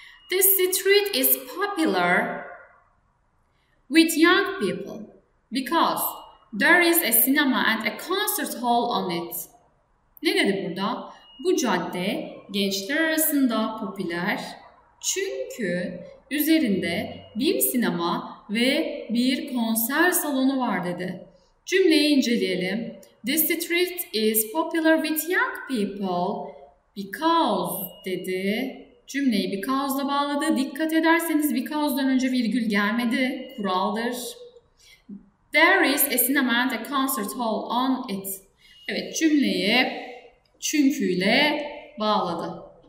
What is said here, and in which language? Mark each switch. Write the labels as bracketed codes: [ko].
[en] The street is popular with young people because there is a cinema and a concert hall on it. [tr] Ne dedi burada? Bu cadde gençler arasında popüler çünkü üzerinde bir sinema ve bir konser salonu var dedi. Cümleyi inceleyelim. [en] The street is popular with young people because [tr] dedi. Cümleyi because'la bağladı. Dikkat ederseniz because'dan önce virgül gelmedi. Kuraldır. [en] There is a cinema and a concert hall on it. [tr] Evet, cümleyi çünkü ile bağladı.